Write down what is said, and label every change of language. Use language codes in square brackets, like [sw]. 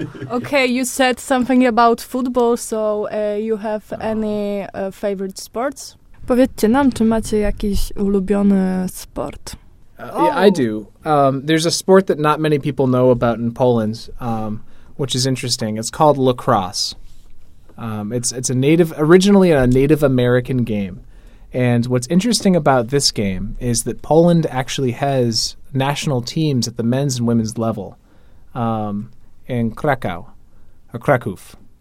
[en] Okay, you said something about football. So you have any favorite sports? [pl] Powiedzcie nam, czy macie jakiś ulubiony sport? [en] Yeah, I do. There's a sport that not many people know about in Poland, which is interesting. It's called lacrosse. It's a originally a Native American game. And what's interesting about this game is that Poland actually has national teams at the men's and women's level in Krakow, or Kraków.